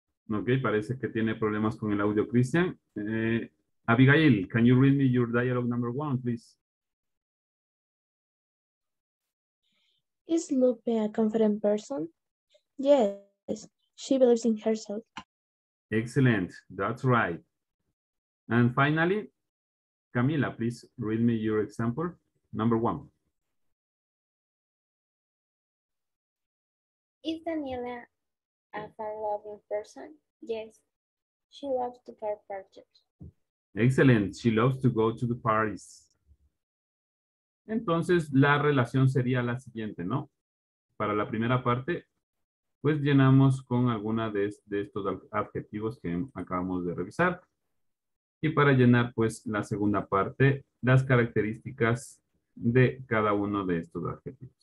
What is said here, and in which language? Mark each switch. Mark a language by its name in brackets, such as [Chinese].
[Spanish] Ok, parece que tiene problemas con el audio, Christian. [English] Abigail, can you read me your dialogue number one, please? Is Lupe a confident person? Yes, she believes in herself. Excellent, that's right. And finally, Camila, please read me your example, number one. Is Daniela a fun-loving person? Yes, she loves to go to parties. Excellent, she loves to go to the parties. [Spanish] Entonces, la relación sería la siguiente, ¿no? Para la primera parte, pues llenamos con alguna de estos adjetivos que acabamos de revisar. Y para llenar, pues, la segunda parte, las características de cada uno de estos adjetivos.